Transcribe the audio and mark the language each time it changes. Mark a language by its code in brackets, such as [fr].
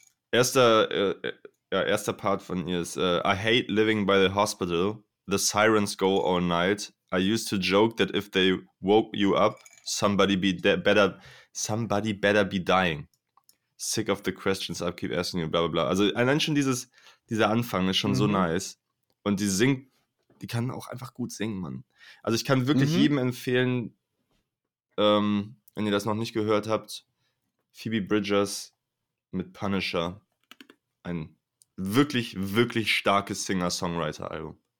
[de] Erster Part von ihr ist [en] I hate living by the hospital. The sirens go all night. I used to joke that if they woke you up, somebody better be dying. Sick of the questions I keep asking you, bla bla bla. [de] Also allein schon dieser Anfang ist schon so nice. Und die singt, die kann auch einfach gut singen, Mann. Also ich kann wirklich jedem empfehlen, wenn ihr das noch nicht gehört habt, Phoebe Bridgers mit Punisher. Ein wirklich, wirklich starkes Singer-Songwriter-Album.